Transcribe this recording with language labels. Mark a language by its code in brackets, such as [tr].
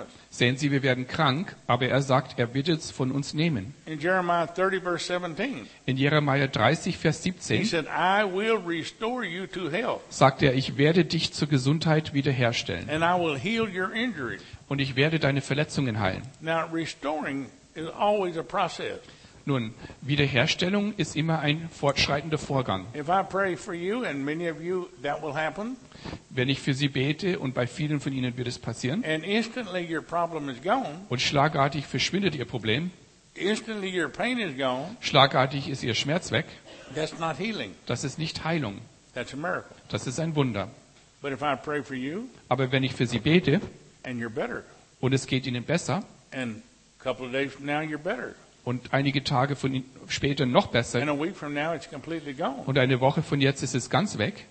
[de] Sehen Sie, wir werden krank, aber er sagt, er wird es von uns nehmen. [en] In Jeremiah 30, verse 17, [de] in Jeremiah 30, Vers 17, [en] he said, I will restore you to health. [de] Sagt er, ich werde dich zur Gesundheit wiederherstellen. [en] And I will heal your injury. [de] Und ich werde deine Verletzungen heilen. [en] Now, restoring is always a process. [de] Nun, Wiederherstellung ist immer ein fortschreitender Vorgang. Wenn ich für Sie bete, und bei vielen von Ihnen wird es passieren, [en] and instantly your problem is gone, [de] und schlagartig verschwindet Ihr Problem, [en] instantly your pain is gone, [de] schlagartig ist Ihr Schmerz weg, [en] that's not healing. [de] Das ist nicht Heilung. [en] That's a miracle. [de] Das ist ein Wunder. [en] But if I pray for you, [de] aber wenn ich für Sie bete, [en] and you're better, [de] und es geht Ihnen besser, [en] and a couple of days from now you're better. [de] Und einige Tage von später noch besser. Und eine Woche von jetzt ist es ganz weg.